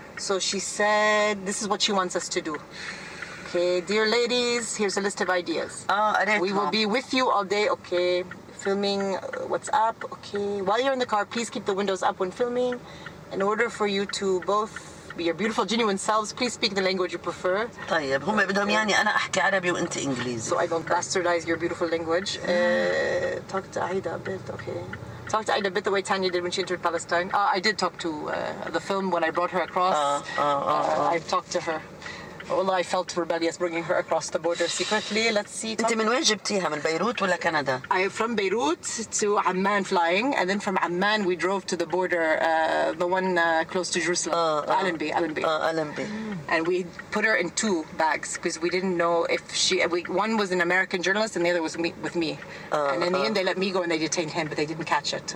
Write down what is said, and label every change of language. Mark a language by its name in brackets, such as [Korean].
[English] So she said this is what she wants us to do. Okay, dear ladies, here's a list of ideas. We will be with you all day, okay? Filming WhatsApp, okay? While you're in the car, please keep the windows up when filming. In order for you to both be your beautiful, genuine selves, please speak the language you prefer. [Arabic] طيب هم بدهم يعني أنا أحكي عربي وأنت إنجليزي. [English] So I don't bastardize your beautiful language. Talk to Aida a bit, okay? Talk to Aida a bit the way Tanya did when she entered Palestine. I did talk to the film when I brought her across. I've talked to her. Well, I felt rebellious bringing her across the border secretly. Let's see. [Arabic] أنت من وين جبتيها؟ من بيروت ولا كندا؟ [English] I'm from Beirut to Amman flying, and then from Amman we drove to the border, the one close to Jerusalem, Allenby. Allenby. And we put her in two bags because we didn't know if she. One was an American journalist, and the other was with me. And in the end, they let me go and they detained him, but they didn't catch it.